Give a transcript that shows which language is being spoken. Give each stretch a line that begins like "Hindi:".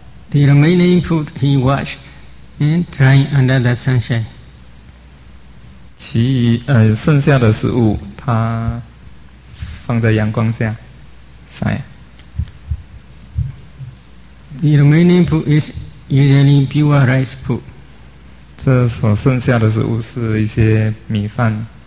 English: The remaining food he washed and drying under the sunshine.
Chinese: 其余剩下的食物，他放在阳光下晒。
English: The remaining food is usually pure rice food.
Chinese: 这所剩下的食物是一些米饭。